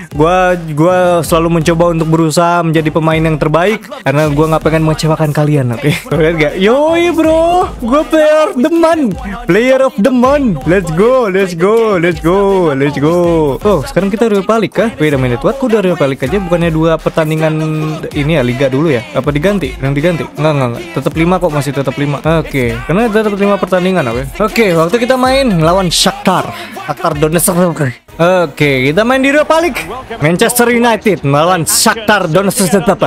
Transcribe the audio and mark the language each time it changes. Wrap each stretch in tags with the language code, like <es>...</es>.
<id>Gue selalu mencoba untuk berusaha menjadi pemain yang terbaik. Karena gue gak pengen mengecewakan kalian, oke. Lihat gak? Yoi bro, gue</id> <en>player of the month. Player of the month. Let's go, let's go, let's go, let's go.</en> <id>Oh, sekarang kita Europa League kah?</id> <en>Wait a minute, what?</en> <id>Kok udah Europa League aja? Bukannya 2 pertandingan ini ya, Liga dulu ya? Apa diganti? Yang diganti? Enggak, tetap 5 kok, masih tetap 5. Oke, karena tetap 5 pertandingan, oke. Oke, waktu kita main lawan Shakhtar Donetsk. Oke, kita main di Europa League. Manchester United melawan Shakhtar Donetsk tetap.</id>